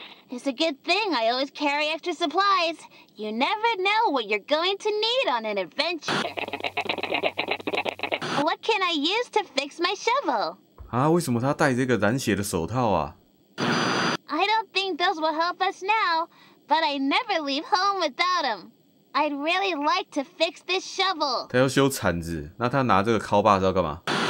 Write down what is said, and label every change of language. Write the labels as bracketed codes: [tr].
[en] It's a good thing I always carry extra supplies. You never know what you're going to need on an adventure. What can I use to fix my shovel? [zh] 啊，为什么他戴这个染血的手套啊？ [en] I don't think those will help us now, but I never leave home without them. I'd really like to fix this shovel. [zh] 他要修铲子，那他拿这个敲把是要干嘛？